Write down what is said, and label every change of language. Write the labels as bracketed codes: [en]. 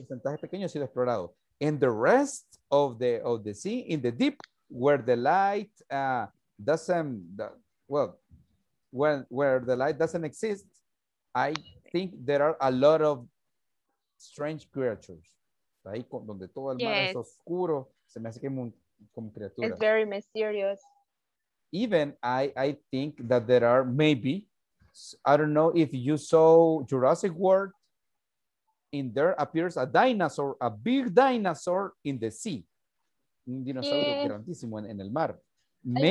[es] porcentaje pequeño ha sido explorado. [en] And the rest of the sea, in the deep, where the light doesn't exist, I think there are a lot of strange creatures. [es] Ahí donde todo el mar [en] yes. [es] es oscuro, se me hace que como criatura. [en] It's very mysterious. Even I think that there are maybe, I don't know if you saw Jurassic World, in there appears a dinosaur, a big dinosaur in the sea. [es] Un dinosaurio [en] yes. [es] grandísimo en el mar. [en] Maybe,